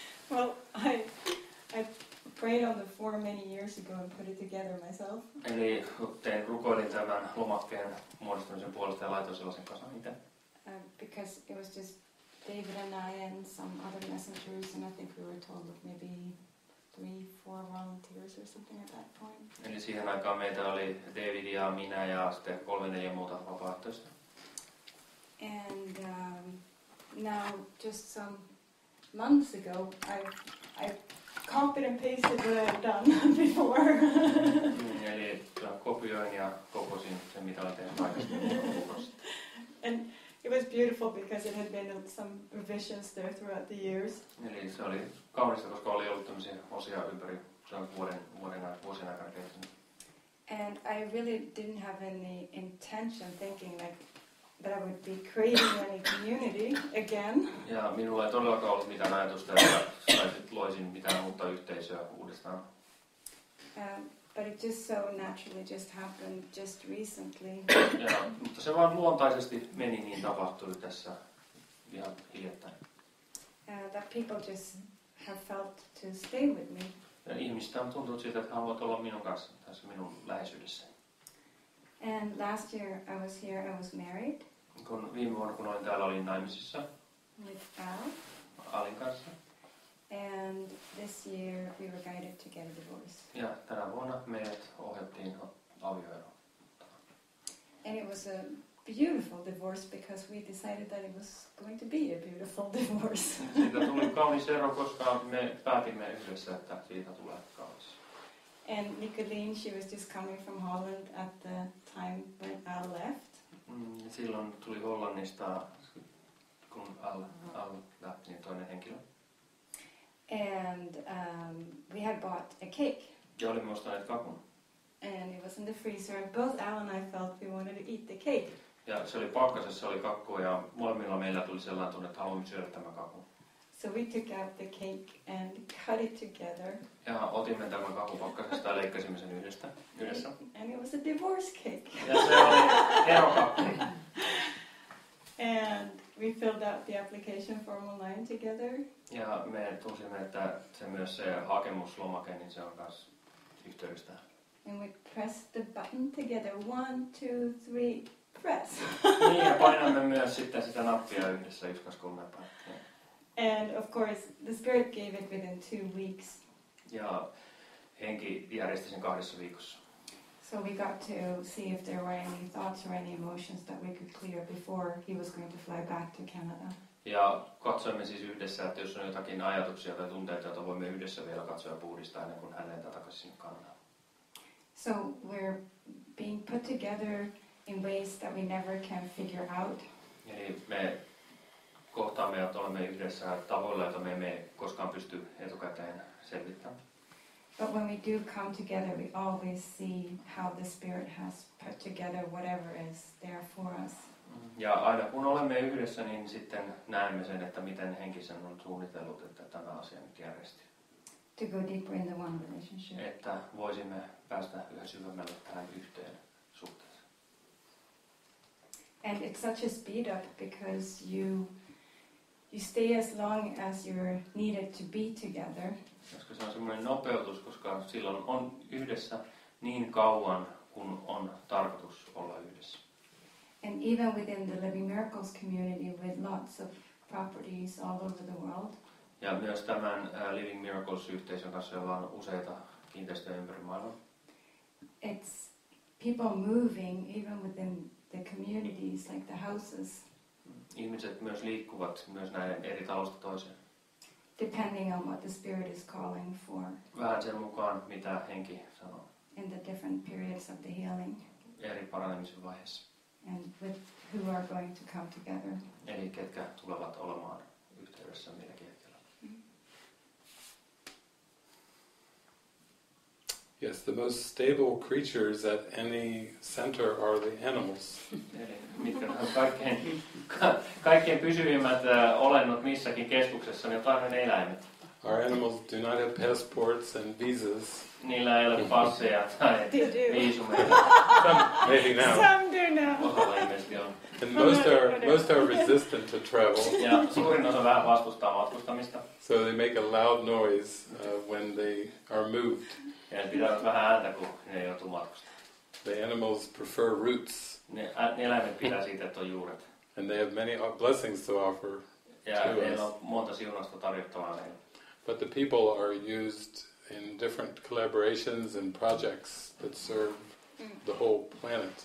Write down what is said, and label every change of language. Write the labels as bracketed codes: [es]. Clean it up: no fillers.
[en] Well, I prayed on the form many years ago and put it together myself. [fi] Eli tein rukoilin tämän lomakkeen muodostamisen puolesta ja laitoin sellaisen kasan itse. [en] Because it was just David and I and some other messengers, and I think we were told of maybe 3-4 volunteers or something at that point. [fi] Eli siihen aikaan meitä oli David ja minä ja sitten 3-4 muuta vapaaehtoista. [en] And now, just some months ago, I copied and pasted what I've done before. [fi] Eli kopioin ja kokosin sen, mitä olen tehnyt aikaisemmin. [en] And it was beautiful because it had been some revisions there throughout the years. [fi] Eli se oli kaunista, koska oli ollut tämmöisiä osia ympäri vuosien aikana tehty. [en] And I really didn't have any intention thinking like that I would be creating any community again. [fi] Ja minulla ei todellakaan ollut mitään ajatusta, että saisit loisin mitään uutta yhteisöä uudestaan. [en] But it just so naturally just happened just recently. [fi] Ja, mutta se vaan luontaisesti meni niin tapahtui tässä ihan hiljattain. [en] That people just have felt to stay with me. [fi] Ja ihmistä on tuntunut siitä, että haluat olla minun kanssa tässä minun läheisyydessäni. [en] And last year I was here, I was married. [fi] Kun viime vuonna kun olin täällä, olin naimisissa. [en] With Al. [fi] Alin kanssa. [en] And this year we were guided to get a divorce. [fi] Ja tänä vuonna meidät ohjattiin avioeroon. [en] And it was a beautiful divorce because we decided that it was going to be a beautiful divorce. [fi] Siitä tuli kaunis ero, koska me päätimme yhdessä, että siitä tulee kaunis. [en] And Nicoline, she was just coming from Holland at the time when I left. [fi] Silloin tuli Hollannista, kun Al lähti, niin toinen henkilö. [en] And we had bought a cake. [fi] Ja olimme ostaneet kakun. [en] And it was in the freezer, and both Al and I felt we wanted to eat the cake. [fi] Ja se oli pakkasessa, oli kakku, ja molemmilla meillä tuli sellainen tunne, että haluamme syödä tämän kakun. [en] So we took out the cake and cut it together. [fi] Ja otimme tämän kakun pakkasesta ja leikkasimme sen yhdessä. [en] And it was a divorce cake. [fi] Ja se oli erokakku. [en] And we filled out the application form online together. [fi] Ja me tunsimme, että se myös se hakemuslomake, niin se on myös yhteydessä. [en] And we pressed the button together. 1, 2, 3, press. [fi] Niin, ja painamme myös sitten sitä nappia yhdessä, 1, 2, 3 painamme. [en] And of course, the spirit gave it within 2 weeks. [fi] Ja henki järjesti sen 2 viikossa. [en] So we got to see if there were any thoughts or any emotions that we could clear before he was going to fly back to Canada. [fi] Ja katsoimme siis yhdessä, että jos on jotakin ajatuksia tai tunteita, joita voimme yhdessä vielä katsoa ja puhdistaa ennen kuin hän lentää takaisin sinne Kanadaan. [en] So we're being put together in ways that we never can figure out. [fi] Eli me kohtaamme ja olemme yhdessä tavoilla, joita me emme koskaan pysty etukäteen selvittämään. [en] But when we do come together, we always see how the Spirit has put together whatever is there for us. [fi] Ja aina kun olemme yhdessä, niin sitten näemme sen, että miten henki sen on suunnitellut, että tämä asia nyt järjestyy. [en] To go deeper in the one relationship. [fi] Että voisimme päästä yhä syvemmälle tähän yhteen suhteeseen. [en] And it's such a speed up because you stay as long as you're needed to be together. [fi] Koska se on semmoinen nopeutus, koska silloin on yhdessä niin kauan kun on tarkoitus olla yhdessä. [en] And even within the Living Miracles community with lots of properties all over the world. [fi] Ja myös tämän Living Miracles-yhteisön kanssa, jolla on useita kiinteistöjä ympäri maailmaa. [en] It's people moving even within the communities, like the houses. [fi] Ihmiset myös liikkuvat myös näiden eri talosta toiseen. [en] Depending on what the spirit is calling for. [fi] Vähän sen mukaan, mitä henki sanoo. [en] In the different periods of the healing. [fi] Eri paranemisen vaiheessa. [en] And with who are going to come together. [fi] Eli ketkä tulevat olemaan yhteydessä milläkin. [en] Yes, the most stable creatures at any center are the animals. [fi] Mitkä ovat kaikkein pysyvimmät olennot missäkin keskuksessa, niin on aina eläimet. [en] Our animals do not have passports and visas. [fi] Niillä ei ole passeja tai viisumeita. [en] Maybe now. Some do now. [fi] Osalla ihmisiä on. [en] And most are resistant to travel. [fi] Ja suurin osa vähän vastustaa matkustamista. [en] So they make a loud noise when they are moved. [fi] Ja ne pitävät vähän ääntä, kun ne joutuu matkustamaan. [en] The animals prefer roots. [fi] Ne eläimet pitää siitä, että on juuret. [en] And they have many blessings to offer [fi] ja [en] to us. [fi] Ja ne on monta siunasta tarjottavaa meille. [en] But the people are used in different collaborations and projects that serve the whole planet.